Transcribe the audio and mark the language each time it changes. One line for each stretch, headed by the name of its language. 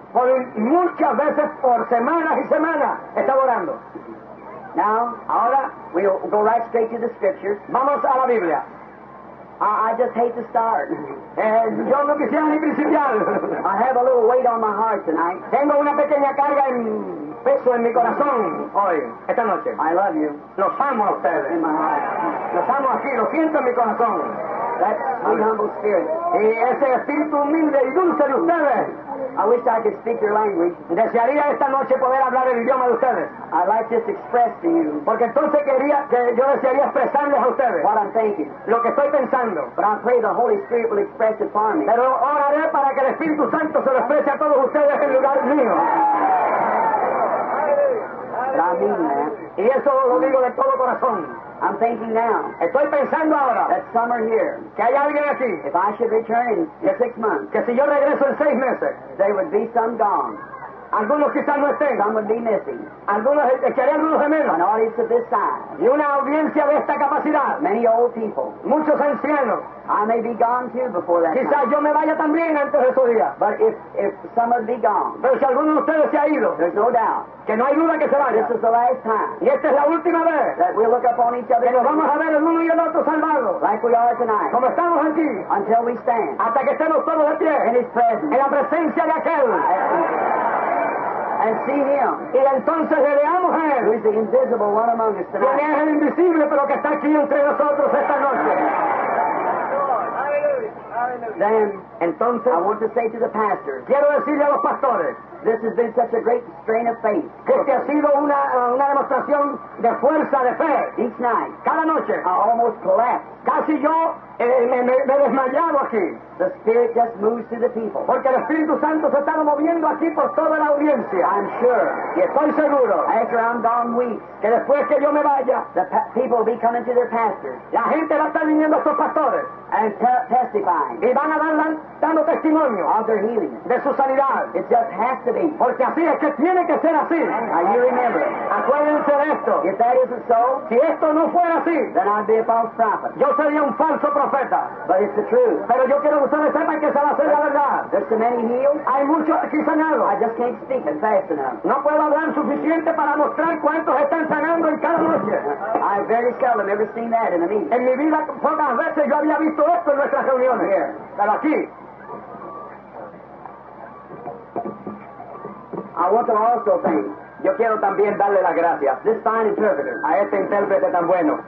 Spanish: Por muchas veces por semanas y semanas estaba orando.
English: Now,
Spanish: ahora,
English: we'll go right straight to the scriptures.
Spanish: Vamos a la Biblia.
English: I just hate to start.
Spanish: Yo no quisiera ni principiar.
English: I have a little weight on my heart tonight.
Spanish: Tengo una pequeña carga en peso en mi corazón hoy, esta noche.
English: I love you.
Spanish: Los amo a ustedes.
English: In my heart.
Spanish: Los amo aquí, los siento en mi corazón.
English: That's my humble spirit.
Spanish: Y ese espíritu humilde y dulce de ustedes.
English: I wish I could speak your language.
Spanish: Desearía esta noche poder hablar el idioma de ustedes.
English: I'd like just to express to you.
Spanish: Porque entonces quería que yo desearía expresarles a ustedes.
English: What I'm thinking.
Spanish: Lo que estoy pensando.
English: But I pray the Holy Spirit will express it for me.
Spanish: Pero oraré para que el Espíritu Santo se lo exprese a todos ustedes en lugar mío.
English: But I mean that.
Spanish: Y eso lo digo de todo corazón.
English: I'm thinking now.
Spanish: Estoy pensando ahora.
English: That some are here.
Spanish: Que hay alguien aquí.
English: If I should return in six months.
Spanish: Que si yo regreso en seis meses.
English: There would be some gone.
Spanish: Algunos quizás no estén.
English: Some would be missing.
Spanish: Algunos echarían unos gemelos.
English: An audience of this size.
Spanish: Y una audiencia de esta capacidad.
English: Many old people.
Spanish: Muchos ancianos.
English: I may be gone too before that.
Spanish: Quizás
English: night.
Spanish: Yo me vaya también antes de su día.
English: But if some would be gone.
Spanish: Pero si alguno de ustedes se ha ido.
English: There's no doubt.
Spanish: Que no hay duda que se vaya.
English: This is the last time.
Spanish: Y esta es la última vez.
English: That we'll look upon each other.
Spanish: Que nos vamos a ver el uno y el otro salvados.
English: Like we are tonight.
Spanish: Como estamos aquí.
English: Until we stand.
Spanish: Hasta que estemos todos de pie.
English: In his presence.
Spanish: En la presencia de aquel.
English: And see him.
Spanish: Y entonces le veamos a él.
English: Who is the invisible one among us tonight.
Spanish: Quien es el invisible pero que está aquí entre nosotros esta noche.
English: Then,
Spanish: entonces,
English: I want to say to the pastors.
Spanish: Quiero decirle a los pastores.
English: This has been such a great strain of faith.
Spanish: Que este ha sido una demostración de fuerza, de fe.
English: Each night.
Spanish: Cada noche.
English: I almost collapsed.
Spanish: Casi yo me he desmayado aquí.
English: The Spirit just moves to the people.
Spanish: Porque el Espíritu Santo se está moviendo aquí por toda la audiencia.
English: I'm sure.
Spanish: Y estoy seguro.
English: After I'm gone weeks.
Spanish: Que después que yo me vaya.
English: The people will be coming to their pastors.
Spanish: La gente va a estar viniendo a sus pastores.
English: And testifying.
Spanish: Y van a dar dando testimonio.
English: Of their healing.
Spanish: De su sanidad.
English: It just has to be.
Spanish: Porque así es que tiene que ser así.
English: Now you remember.
Spanish: Acuérdense de esto.
English: If that isn't so.
Spanish: Si esto no fuera así.
English: Then I'd be a false prophet.
Spanish: Yo sería un falso profeta.
English: But it's the truth.
Spanish: Pero yo quiero que ustedes sepan que esa va a ser la verdad.
English: There's so many healed.
Spanish: Hay muchos aquí sanados.
English: I just can't speak and fast enough.
Spanish: No puedo hablar suficiente para mostrar cuántos están sanando en cada noche.
English: I very seldom ever seen that in a meeting.
Spanish: En mi vida pocas veces yo había visto esto en nuestras reuniones.
English: Here.
Spanish: Pero aquí.
English: I want to also thank.
Spanish: Yo quiero también darle las gracias.
English: This fine interpreter.
Spanish: A este intérprete tan bueno.